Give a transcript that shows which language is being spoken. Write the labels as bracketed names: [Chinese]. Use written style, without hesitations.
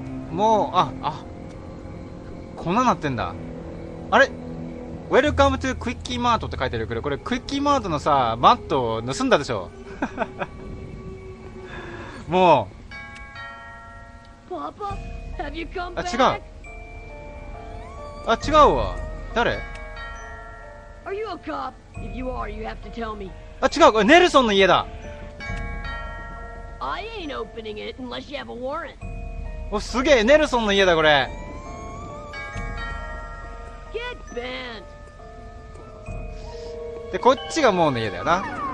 [Japanese] もう、あ、こんなんなってんだ。あれ、 [English] Welcome to Quickie Mart [Japanese] って書いてるけど、これ Quickie Mart のさ、マットを盗んだでしょ。もう、 [English] パパ、Have you come back? [Japanese] あ、違う。あ、違うわ。誰？ [English] Are you a cop? If you are, you have to tell me. [Japanese] あ、違う。これネルソンの家だ。 [English] I ain't opening it unless you have a warrant. [Japanese] お、すげえ、ネルソンの家だこれ。 [English] Get banned. [Japanese] で、こっちがもうの家だよな。